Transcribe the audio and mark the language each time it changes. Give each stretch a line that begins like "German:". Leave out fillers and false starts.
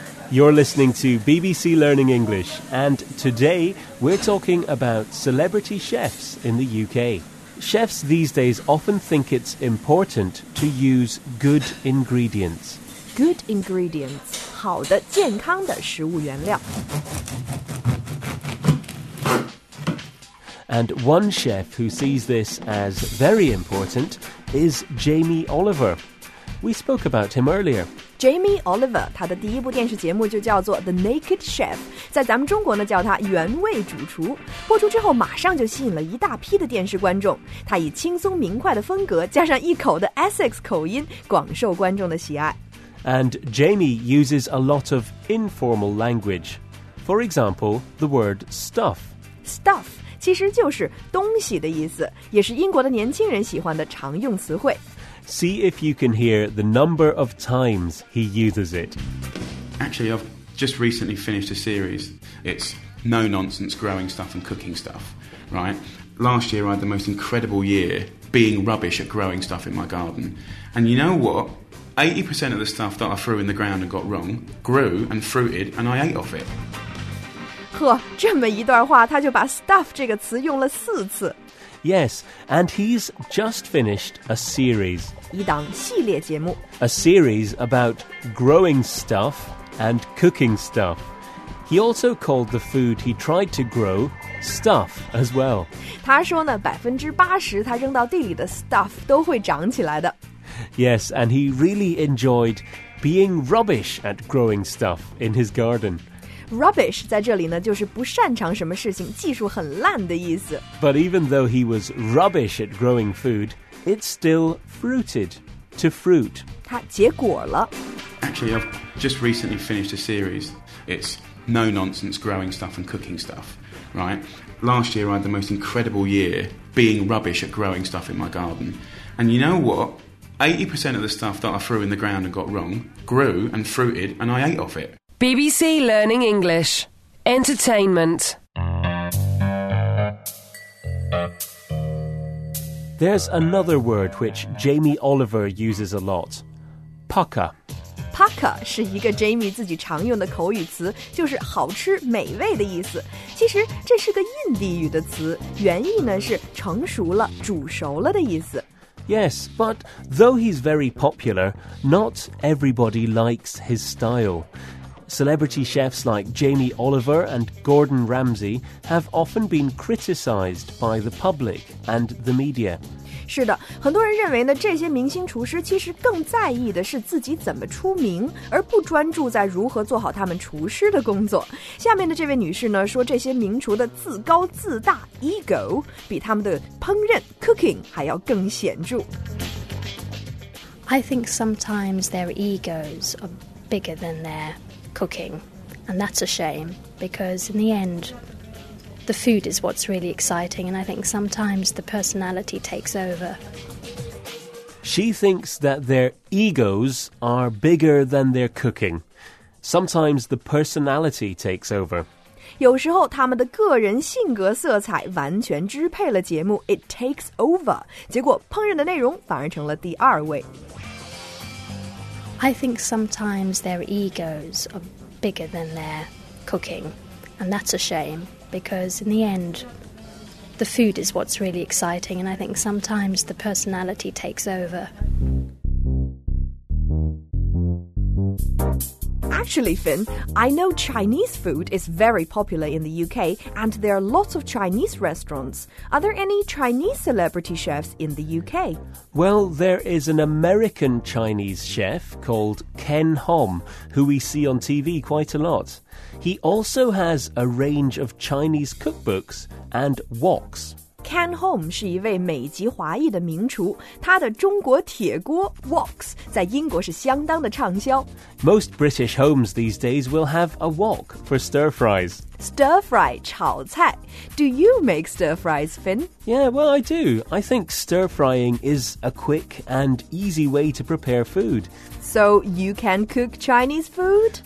English: You're listening to BBC Learning English, and today we're talking about celebrity chefs in the UK. Chefs these days often think it's important to use good ingredients. Good ingredients,
Chinese: 好的健康的食物原料。
English: And one chef who sees this as very important is Jamie Oliver. We spoke about him earlier.
Chinese: Jamie Oliver, 他的第一部电视节目就叫做
English: The Naked Chef，
Chinese: 在咱们中国呢叫他原味主厨。播出之后马上就吸引了一大批的电视观众，他以轻松明快的风格加上一口的 Essex 口音广受观众的喜爱。
English: And Jamie uses a lot of informal language. For example, the word stuff.
Chinese: Stuff 其实就是东西的意思，也是英国的年轻人喜欢的常用词汇。
English: See if you can hear the number of times he uses it. Actually, I've just recently finished a series. It's no-nonsense growing stuff and cooking stuff, right? Last year, I had the most incredible year being rubbish at growing stuff in my garden. And you know what? 80% of the stuff that I threw in the ground and got wrong grew and fruited, and I ate off it.
Chinese: 呵，这么一段话，他就把 stuff 这个词用了四次。
English: Yes, and he's just finished a series.
Chinese: 一档系列节目。
English: A series about growing stuff and cooking stuff. He also called the food he tried to grow stuff as well.
Chinese: 他说呢，80%他扔到地里的 stuff 都会长起来的。
English: Yes, and he really enjoyed being rubbish at growing stuff in his garden.
Chinese: Rubbish 在这里呢，就是不擅长什么事情，技术很烂的意思。
English: But even though he was rubbish at growing food, it still fruited to fruit.
Chinese: 它结果了。
English: Actually, I've just recently finished a series. It's no-nonsense growing stuff and cooking stuff, right? Last year, I had the most incredible year being rubbish at growing stuff in my garden. And you know what? 80% of the stuff that I threw in the ground and got wrong grew and fruited and I ate off it. BBC Learning English. Entertainment. There's another word which Jamie Oliver uses a lot. Pucker.
Chinese: Pucker 是一个 Jamie 自己常用的口语词，就是好吃、美味的意思。其实这是个印地语的词，原意呢是成熟了、煮熟了的意思。
English: Yes, but though he's very popular, not everybody likes his style. Celebrity chefs like Jamie Oliver and Gordon Ramsay have often been criticized by the public and the media.
Chinese: 是的，很多人认为呢，这些明星厨师其实更在意的是自己怎么出名，而不专注在如何做好他们厨师的工作。下面的这位女士呢，说这些名厨的自高自大 ego 比他们的烹饪 cooking 还要更显著。
English: I think sometimes their egos are bigger than their... cooking, and that's a shame because in the end the food is what's really exciting and I think sometimes the personality takes over. She thinks that their egos are bigger than their cooking. Sometimes the personality takes over.
Chinese: 有时候他们的个人性格色彩完全支配了节目
English: it takes over,
Chinese: 结果烹饪的内容反而成了第二位。
English: I think sometimes their egos are bigger than their cooking, and that's a shame, because in the end, the food is what's really exciting, and I think sometimes the personality takes over. Actually, Finn, I know Chinese food is very popular in the UK, and there are lots of Chinese restaurants. Are there any Chinese celebrity chefs in the UK? Well, there is an American Chinese chef called Ken Hom, who we see on TV quite a lot. He also has a range of Chinese cookbooks and woks.
Chinese: Ken Hom 是一位美籍华裔的名厨，他的中国铁锅 Wok 在英国是相当的畅销。
English: Most British homes these days will have a wok for stir fries.
Chinese: Stir fry 炒菜。
English: Do you make stir fries, Finn? Yeah, well, I do. I think stir frying is a quick and easy way to prepare food. So you can cook Chinese food?